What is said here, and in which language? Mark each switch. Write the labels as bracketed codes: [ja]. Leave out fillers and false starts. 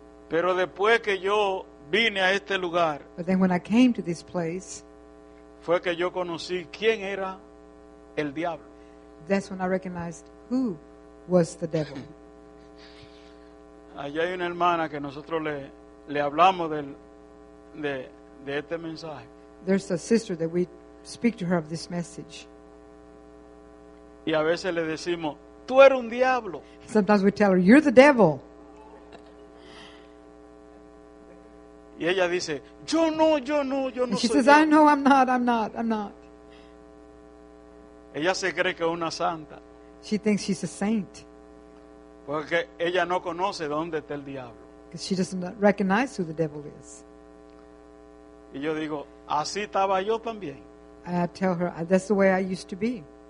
[es] Pero después que yo vine a este lugar, [en] but then when I came to this place, [es] fue que yo conocí quién era el diablo. [en] That's when I recognized who was the devil. [es] Allá hay una hermana que nosotros le hablamos de este mensaje. [en] There's a sister that we speak to her of this message. [es] Y a veces le decimos, tú eres un diablo. [en] Sometimes we tell her, you're the devil. [es] Y ella dice, yo no. [en] She says, I know, I'm not. [es] Ella se cree que es una santa. [en] She thinks she's a saint. [es] Porque ella no conoce dónde está el diablo. [en] Because she doesn't recognize who the devil is. [es] Y yo digo, así estaba yo también. [en] I tell her, that's the way I used to be.